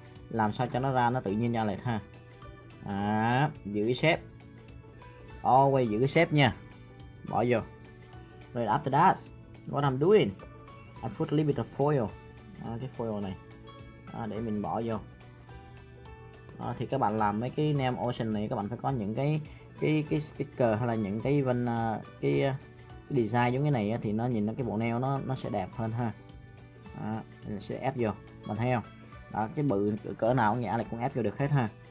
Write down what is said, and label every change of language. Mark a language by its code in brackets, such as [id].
[vi] Làm sao cho nó ra nó tự nhiên ra lại ha. Giữ cái shape. Always giữ cái shape nha. Bỏ vô. [en] Rồi after that, what I'm doing, I put a little bit of foil. [vi] Cái foil này để mình bỏ vô. Thì các bạn làm mấy cái name ocean này các bạn phải có những cái sticker hay là những cái vân cái cái design giống cái này thì nó nhìn nó cái bộ nail nó sẽ đẹp hơn ha. Đó, mình sẽ ép vô, mình thấy không? Đó, cái bự cỡ nào cũng nhả lại cũng ép vô được hết ha.